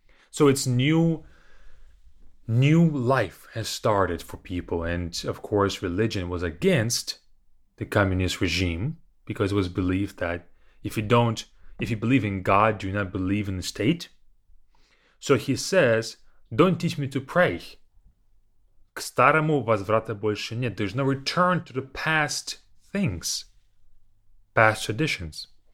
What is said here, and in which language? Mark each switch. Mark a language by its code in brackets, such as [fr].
[en] So it's new life has started for people. And of course, religion was against the communist regime because it was believed that if you believe in God, do you not believe in the state? So he says, don't teach me to pray. [ru] К старому возврата больше нет. [en] There's no return to the past things, past traditions.